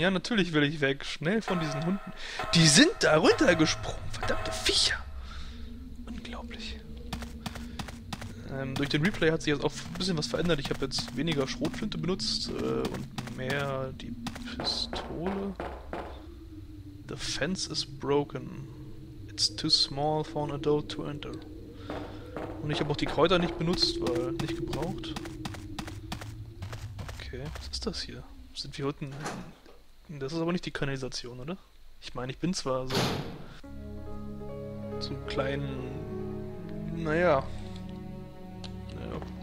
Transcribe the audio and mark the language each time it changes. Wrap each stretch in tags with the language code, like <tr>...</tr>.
<de>Ja, natürlich will ich weg. Schnell von diesen Hunden. Die sind da runtergesprungen! Verdammte Viecher! Unglaublich. Durch den Replay hat sich jetzt auch ein bisschen was verändert. Ich habe jetzt weniger Schrotflinte benutzt und mehr die Pistole.</de> <en>The fence is broken. It's too small for an adult to enter.</en> <de>Und ich habe auch die Kräuter nicht benutzt, weil nicht gebraucht. Okay, was ist das hier? Sind wir unten? Das ist aber nicht die Kanalisation, oder? Ich meine, ich bin zwar so... ...so klein... ...naja... ...naja...</de>